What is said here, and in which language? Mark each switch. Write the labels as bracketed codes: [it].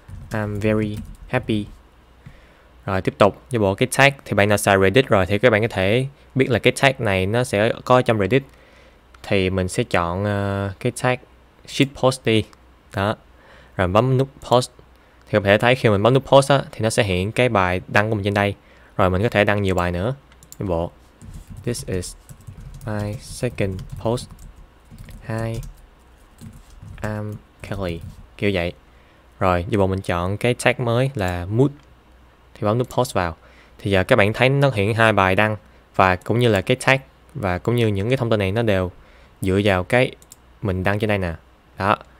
[en] I'm very happy. [vi] Rồi tiếp tục, cho bộ cái tag thì bạn nào xài Reddit rồi thì các bạn có thể biết là cái tag này nó sẽ có trong Reddit. Thì mình sẽ chọn cái tag shit post đi. Đó. Rồi bấm nút post. Thì các bạn có thể thấy khi mình bấm nút post á thì nó sẽ hiện cái bài đăng của mình trên đây. Rồi mình có thể đăng nhiều bài nữa. Cho bộ [en] this is my second post. Hi. I'm Kelly. [vi] Kiểu vậy. Rồi, giờ bọn mình chọn cái tag mới là mood. Thì bấm nút post vào. Thì giờ các bạn thấy nó hiện hai bài đăng, và cũng như là cái tag, và cũng như những cái thông tin này nó đều dựa vào cái mình đăng trên đây nè. Đó.